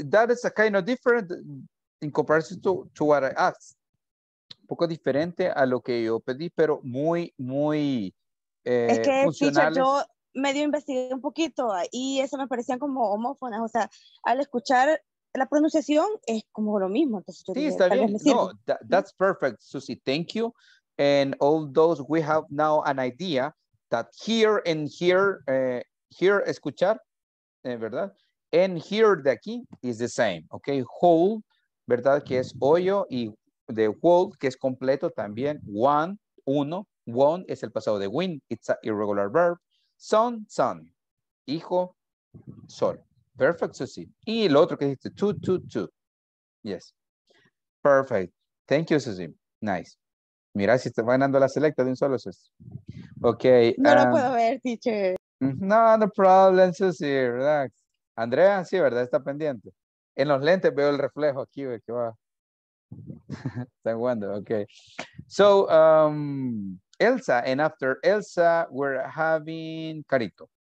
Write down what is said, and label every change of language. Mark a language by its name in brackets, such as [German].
[English] That is a kind of different in comparison to what I asked. [Spanish] Un poco diferente a lo que yo pedí, pero muy, muy es que, teacher, yo medio investigué un poquito y eso me parecían como homófonas. O sea, al escuchar la pronunciación es como lo mismo. Entonces, sí, dije, está bien. No, [English] that's perfect, Susie. Thank you. And all those, we have now an idea. That here and here, here [Spanish] escuchar, ¿verdad? [English] And here [Spanish] de aquí [English] is the same, ¿ok? Whole, [Spanish] ¿verdad? Que es hoyo y [English] the whole, [Spanish] que es completo también. [English] One, [Spanish] uno. [English] One [Spanish] es el pasado de [English] win. It's an irregular verb. Son, son. [Spanish] Hijo, sol. [English] Perfect, [Spanish] Susie. Y el otro que dijiste, two, two, two. [English] Yes. Perfect. Thank you, Susie. Nice. [Spanish] Mira, si te va ganando la selecta de un solo sexo. Ok. No lo puedo ver, teacher. [English] No, no problem, Susie, relax. [Spanish] Andrea, sí, ¿verdad? Está pendiente. En los lentes veo el reflejo aquí, ¿ve? Que va. Está jugando, ok. [English] So, Elsa, and after Elsa, we're having Carito.